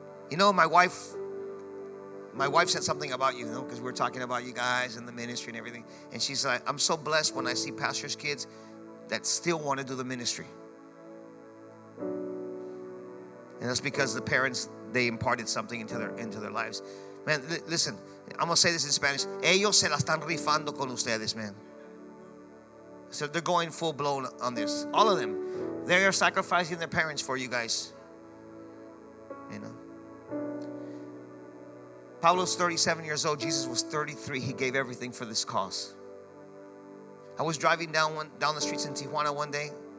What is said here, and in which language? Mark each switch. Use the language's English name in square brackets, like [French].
[English] You know, my wife said something about you, you know, because we're talking about you guys and the ministry and everything. And she's like, I'm so blessed when I see pastor's kids that still want to do the ministry. And that's because the parents, they imparted something into their lives. Man, listen, I'm going to say this in Spanish. [Spanish] Ellos se la están rifando con ustedes, man. [English] So they're going full blown on this. All of them. They are sacrificing their parents for you guys. You know. Pablo's 37 years old. Jesus was 33. He gave everything for this cause. I was driving down the streets in Tijuana one day.